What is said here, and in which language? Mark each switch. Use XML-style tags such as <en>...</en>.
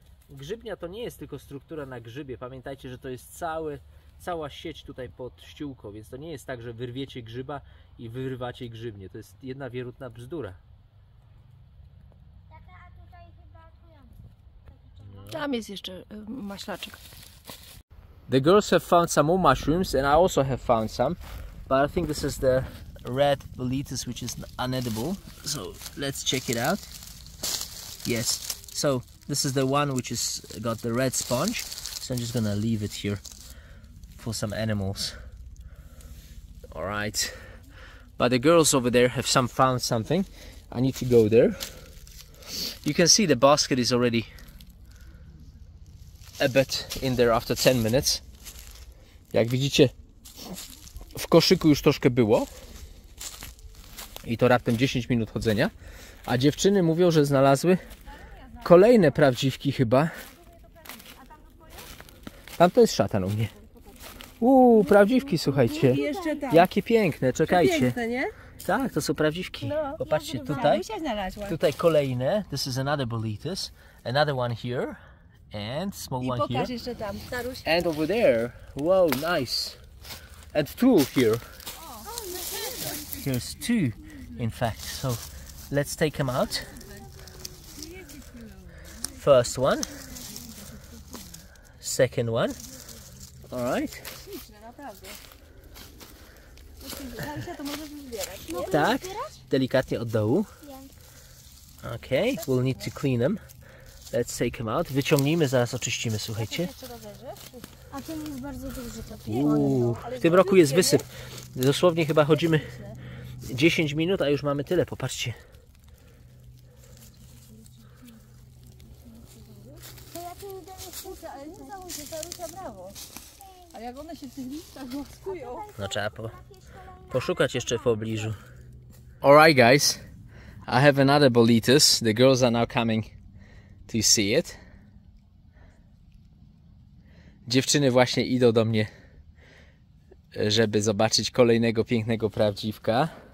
<pl>Grzybnia to nie jest tylko struktura na grzybie. Pamiętajcie, że to jest cała sieć tutaj pod ściółką, więc to nie jest tak, że wyrwiecie grzyba i wyrywacie grzybnię. To jest jedna wielutna bzdura. Tam jest jeszcze maślaczek.</pl> <en>The girls have found some more mushrooms and I also have found some. But I think this is the red boletus, which is unedible. So let's check it out. Yes, so This is the one which is got the red sponge. So I'm just gonna leave it here for some animals. All right. But the girls over there have some found something. I need to go there. You can see the basket is already a bit in there after 10 minutes.</en> <pl>Jak widzicie, w koszyku już troszkę było. I to raptem 10 minut chodzenia. A dziewczyny mówią, że znalazły kolejne prawdziwki chyba. Tam to jest szatan u mnie. Uuu, prawdziwki, słuchajcie. Jakie piękne, czekajcie. Tak, to są prawdziwki. Popatrzcie, tutaj. Tutaj kolejne.</pl> <en>This is another boletus. Another one here. And small one here. And over there. Wow, nice. And two here. Here's two, in fact. So let's take them out. First one. Second one. All right.</en> <pl>Tak, delikatnie od dołu.</pl> <en>Okay, we'll need to clean them. Let's take them out.</en> <pl>Wyciągnijmy, zaraz oczyścimy, słuchajcie. A ten jest bardzo duży. W tym roku jest wysyp. Dosłownie chyba chodzimy 10 minut, a już mamy tyle, popatrzcie. To ja tu idę nie skuszę, ale nie załóżę, Tarusia, brawo. Ale jak one się w tych listach głaskują. No trzeba poszukać jeszcze w pobliżu.</pl> <en>Alright guys, I have another boletus. The girls are now coming to see it.</en> <pl>Dziewczyny właśnie idą do mnie, żeby zobaczyć kolejnego pięknego prawdziwka.</pl>